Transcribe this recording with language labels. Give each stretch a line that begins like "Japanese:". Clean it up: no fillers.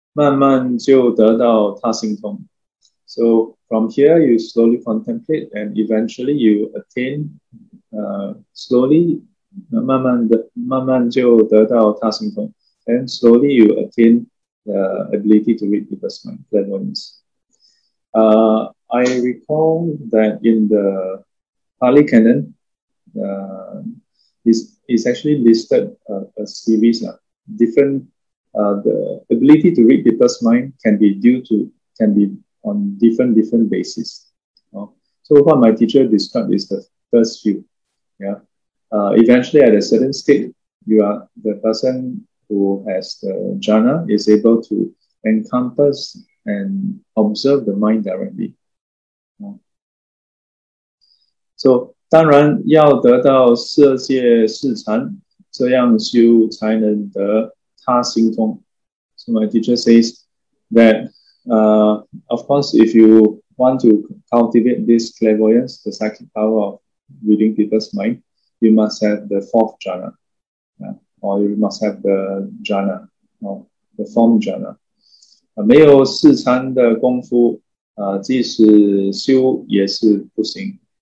Chinese: 从这里去思维，慢慢就得到他心通.
English: So from here, you slowly contemplate, and eventually you attain. Slowly,
Chinese: 慢慢就得到他心通,
English: and slowly you attain the ability to read people's mind, clairvoyance. I recall that in the Pali Canon, it's actually listed a series now. Different the ability to read people's mind can be on different basis. So what my teacher described is the first few. Eventually at a certain state, you are the person who has the jhana is able to encompass and observe the mind directly.
Chinese: So 当然要得到色界四禅，这样修才能得他心通.
English: So my teacher says that of course, if you want to cultivate this clairvoyance, the psychic power of reading people's mind, you must have the fourth jhana, or you must have the jhana, or the form jhana.
Chinese: 没有四禅的功夫，即使修也是不行.